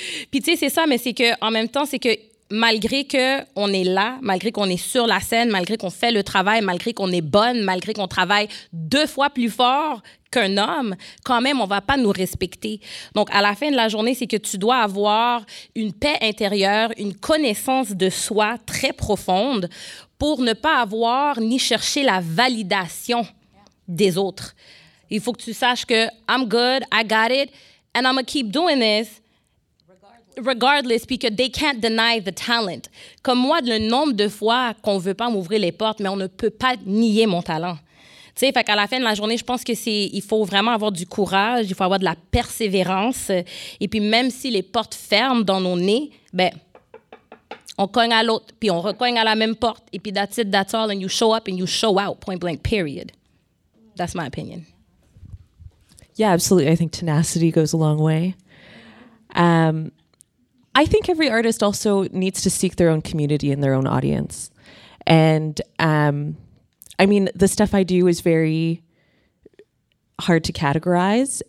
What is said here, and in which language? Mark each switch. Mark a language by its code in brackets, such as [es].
[fr] Puis tu sais, c'est ça, mais c'est qu'en même temps, c'est que malgré qu'on est là, malgré qu'on est sur la scène, malgré qu'on fait le travail, malgré qu'on est bonne, malgré qu'on travaille 2 fois plus fort qu'un homme, quand même, on va pas nous respecter. Donc, à la fin de la journée, c'est que tu dois avoir une paix intérieure, une connaissance de soi très profonde pour ne pas avoir ni chercher la validation des autres. Il faut que tu saches que [en] « I'm good, I got it, and I'm gonna keep doing this. » Regardless, because they can't deny the talent. [fr] Comme moi, le nombre de fois qu'on veut pas m'ouvrir les portes, mais on ne peut pas nier mon talent. Tu sais, fait qu'à la fin de la journée, je pense que il faut vraiment avoir du courage, il faut avoir de la persévérance. Et puis même si les portes ferment dans nos nez, ben, on cogne à l'autre, puis on recogne à la même porte. Et puis [en] that's it, that's all, and you show up and you show out, point blank, period. That's my opinion. Yeah, absolutely. I think tenacity goes a long way. I think every artist also needs to seek their own community and their own audience. And I mean, the stuff I do is very hard to categorize.